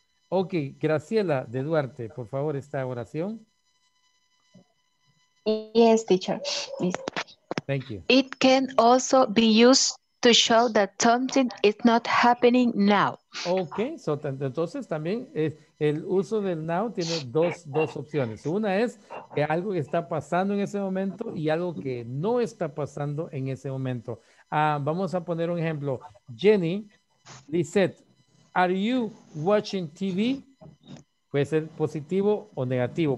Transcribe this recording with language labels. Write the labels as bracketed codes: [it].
[es] Ok, Graciela de Duarte, por favor, esta oración. [en] Yes, teacher. Thank you. It can also be used to show that something is not happening now. [es] Ok, so, entonces también es, el uso del now tiene dos opciones. Una es que algo está pasando en ese momento y algo que no está pasando en ese momento. Vamos a poner un ejemplo. Jenny, Lisette. [en] Are you watching TV? [es] Puede ser positivo o negativo.